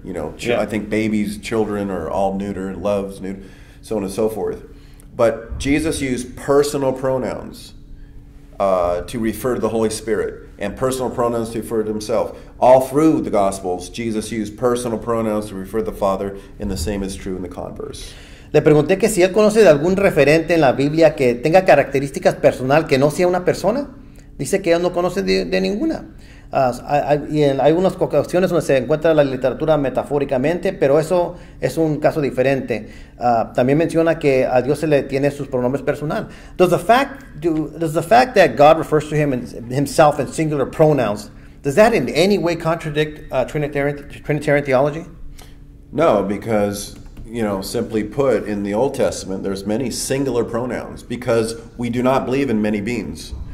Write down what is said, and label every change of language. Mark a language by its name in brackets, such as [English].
[English] You know, I think babies, children are all neuter, loves, neuter, so on and so forth. But Jesus used personal pronouns to refer to the Holy Spirit and personal pronouns to refer to himself. All through the Gospels, Jesus used personal pronouns to refer to the Father, and the same is true in the converse. [Spanish] Le pregunté que si él conoce de algún referente en la Biblia que tenga características personal que no sea una persona. Dice que él no conoce de ninguna. Hay unas ocasiones donde se encuentra la literatura metafóricamente, pero eso es un caso diferente. También menciona que a Dios se le tiene sus pronombres personal. [English] Does the fact that God refers to himself in singular pronouns, does that in any way contradict Trinitarian theology? No, because, you know, simply put, in the Old Testament, there's many singular pronouns because we do not believe in many beings.